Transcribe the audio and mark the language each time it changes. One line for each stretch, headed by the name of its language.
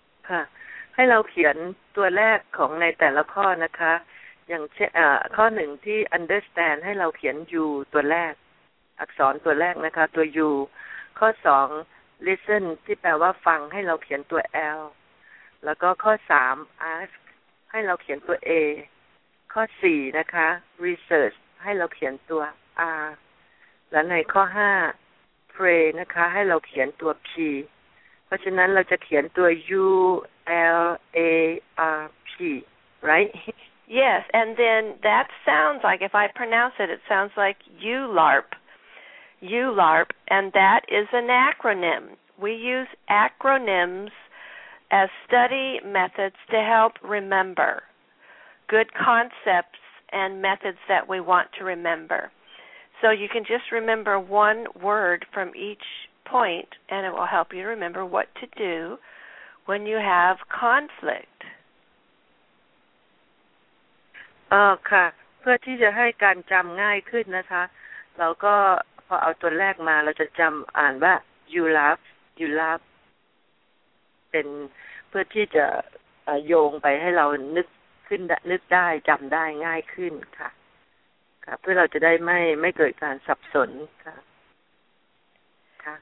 Thai: ค่ะให้เราเขียนตัวแรกของในแต่ละข้อนะคะอย่างเช่นข้อหนึ่งที่ understand ให้เราเขียน U ตัวแรกอักษรตัวแรกนะคะตัว U ข้อ2 listen ที่แปลว่าฟังให้เราเขียนตัว L แล้วก็ข้อ3 ask ให้เราเขียนตัว A ข้อ4นะคะ research ให้เราเขียนตัว R และในข้อ5 pray นะคะให้เราเขียนตัว P เพราะฉะนั้นเราจะเขียนตัว U L A R P right
English: yes and then that sounds like if I pronounce it it sounds like ULARP, and that is an acronym. We use acronyms as study methods to help remember good concepts and methods that we want to remember. So you can just remember one word from each point, and it will help you remember what to do when you have conflict. Okay.
Thai: เพื่อที่จะให้การจำง่ายขึ้นนะคะเราก็พอเอาตัวแรกมาเราจะจำอ่านว่า
English: you love
Thai: เป็นเพื่อที่จะโยงไปให้เรานึกขึ้นนึกได้จำได้ง่ายขึ้นค่ะค่ะเพื่อเราจะได้ไม่เกิดการสับสนค่ะค่ะ